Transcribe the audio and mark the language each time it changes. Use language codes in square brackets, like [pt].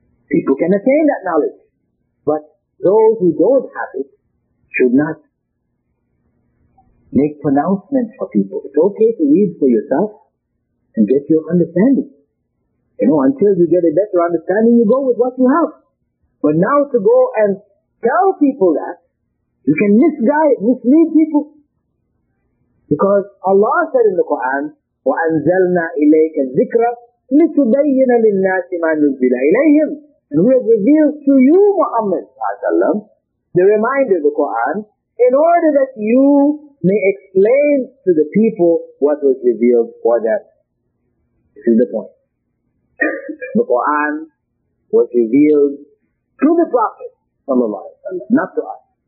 [en] People can attain that knowledge. But those who don't have it should not make pronouncements for people. It's okay to read for yourself and get your understanding. You know, until you get a better understanding, you go with what you have. But now to go and tell people that, you can misguide, mislead people. Because Allah said in the Quran, [ar] وَأَنزَلْنَا إِلَيْكَ الذِّكْرَ لِتُبَيِّنَ لِلنَّاسِ مَا نُزِّلَ إِلَيْهِمْ. [en] And we have revealed to you, Muhammad, the reminder of the Quran, in order that you may explain to the people what was revealed for them. This is the point. The Quran was revealed to the Prophet, not to us.